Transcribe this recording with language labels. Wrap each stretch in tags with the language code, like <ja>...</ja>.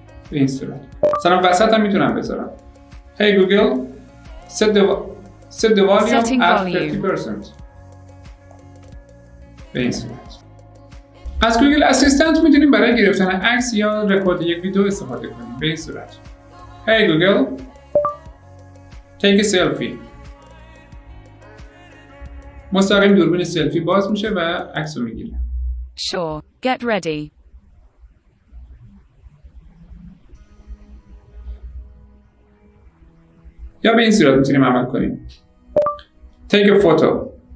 <fa>به این صورت. سلام وسط هم میتونم بذارم.</fa> <en>Hey Google, set the volume at 50%.</en> <fa>به این صورت. از گوگل اسیستنت میتونیم برای گرفتن عکس یا رکورد یک ویدیو استفاده کنیم. به این صورت:</fa> <en>Hey Google, take a selfie.</en> <fa>مستقیم دوربین سلفی باز میشه و عکسو میگیره.</fa> <en>Sure, get ready.</en> <fa>یا به این صورت میتونیم عمل کنیم:</fa> <en>Take a photo.</en>